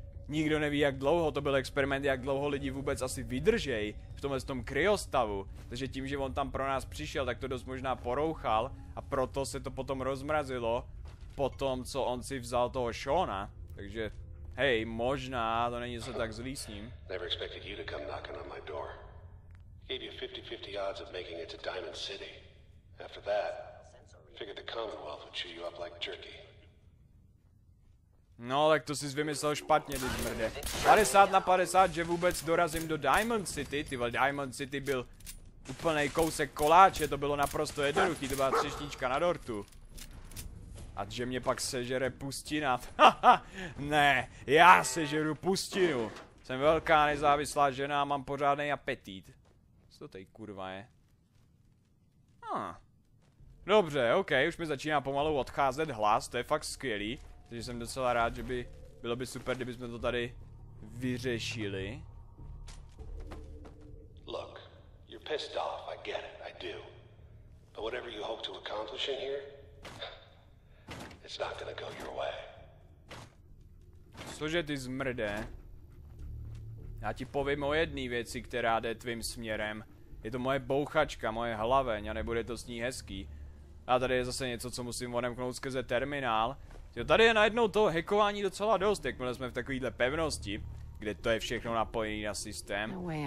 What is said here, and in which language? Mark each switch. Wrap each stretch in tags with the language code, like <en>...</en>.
<cs>Nikdo neví, jak dlouho to byl experiment, jak dlouho lidi vůbec asi vydržej v tomhle tom kryostavu. Takže tím, že on tam pro nás přišel, tak to dost možná porouchal a proto se to potom rozmrazilo po tom, co on si vzal toho Shona. Takže, hej, možná to není něco tak zlý s ním.</cs> <en>Never expected you to come knocking on my door. Gave you 50-50 odds of making it to Diamond City. After that... Figured the Commonwealth would chew you up like jerky.</en> <cs>No, tak to jsi vymyslel špatně, ty zmrde. 50-50, že vůbec dorazím do Diamond City, ty vole, Diamond City byl úplnej kousek koláče, to bylo naprosto jednoduchý, to byla třešnička na dortu. A že mě pak sežere pustina, ne, já sežeru pustinu. Jsem velká nezávislá žena a mám pořádnej apetít. Co to tady kurva je? Dobře, ok, už mi začíná pomalu odcházet hlas, to je fakt skvělý. Takže jsem docela rád, že by bylo by super, kdybychom to tady vyřešili.</cs> <en>Look, you're pissed off, I get it, I do. But whatever you hope to accomplish in here, it's not gonna go your way.</en> <cs>Cože ty zmrde? Já ti povím o jedné věci, která jde tvým směrem. Je to moje bouchačka, moje hlaveň a nebude to s ní hezký. A tady je zase něco, co musím odemknout skrze terminál. Jo, tady je najednou toho hackování docela dost, jakmile jsme v takovýhle pevnosti, kde to je všechno napojené na systém.</cs>